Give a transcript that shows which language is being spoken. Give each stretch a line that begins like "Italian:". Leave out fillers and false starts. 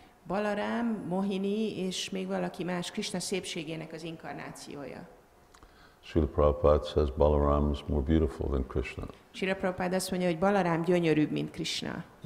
Hungarian: Balaram, Mohini és még valaki más Krishna szépségének az inkarnációja.
English: Srila Prabhupada says Balaram is more beautiful than Krishna.
Hungarian: Srila Prabhupada azt mondja, hogy Balaram gyönyörűbb, mint Krishna.